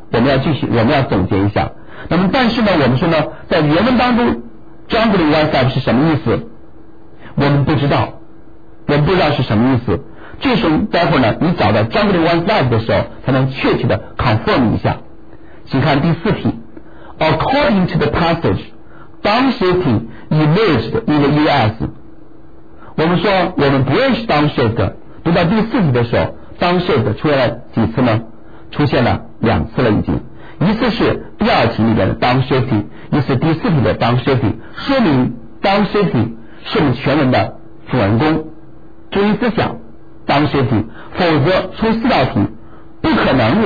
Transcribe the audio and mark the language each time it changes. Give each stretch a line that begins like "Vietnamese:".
Chinese: 我们要总结一下。那么，但是呢，我们说呢，在原文当中 ，
English: juggling one's life
Chinese: 是什么意思？我们不知道是什么意思。这时候，待会儿呢，你找到
English: juggling one's life
Chinese: 的时候，才能确切的 confirm 一下。请看第四题。
English: According to the passage, downshift emerged in the U.S.
Chinese: 我们说我们不认识 downshift， 读到第四题的时候 downshift 出现了几次呢？出现了两次了，已经一次是第二题里面的 downshift， 一次第四题的 downshift， 说明 downshift 是我们全文的主人公，注意思想 downshift， 否则出四道题不可能。